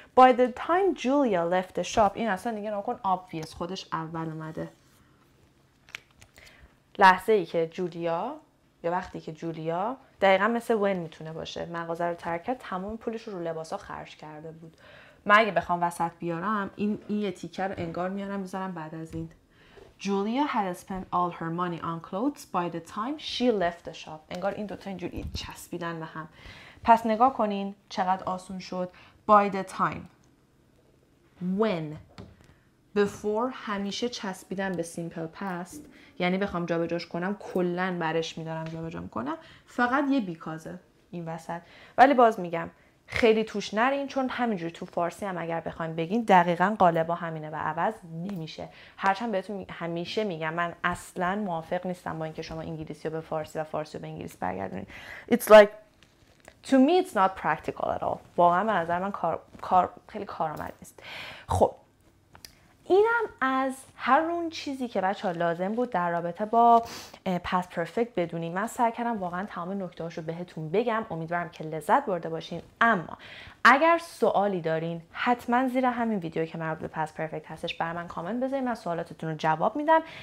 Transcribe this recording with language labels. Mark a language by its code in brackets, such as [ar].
[en] By the time Julia left the shop، [fa] این اصلا دیگه نکن [en] obvious، [fa] خودش اول اومده. لحظه ای که جولیا، یا وقتی که جولیا، دقیقا مثل when میتونه باشه، مغازه رو ترک کرد، تمام پولش رو لباسا خرج کرده بود. من اگه بخوام وسط بیارم این یه تیکه رو انگار میارم میذارم بعد از این. [en] Julia had spent all her money on clothes by the time she left the shop. [fa] انگار این دوتا اینجوری چسبیدن به هم. پس نگاه کنین چقدر آسون شد. By the time، when، before، همیشه چسبیدن به simple past، یعنی بخوام جا به جاش کنم کلن برش میدارم جا به جا میکنم، فقط یه بیکازه این وسط. ولی باز میگم خیلی توش نرین، چون همینجوری تو فارسی هم اگر بخوایم بگین دقیقا قالبا همینه و عوض نمیشه. هرچند بهتون همیشه میگم من اصلا موافق نیستم با اینکه شما انگلیسی رو به فارسی و فارسی رو به انگلیس برگردونید. [en] It's like to me it's not practical at all. [fa] واقعا به نظر من کار خیلی کارآمد نیست. خب اینم از هر اون چیزی که بچه‌ها لازم بود در رابطه با پس پرفکت بدونیم. من سعی کردم واقعا تمام نکته‌هاش رو بهتون بگم، امیدوارم که لذت برده باشین. اما اگر سوالی دارین حتما زیر همین ویدیو که مربوط به پس پرفکت هستش برای من کامنت بذارید، من سوالاتتون رو جواب میدم.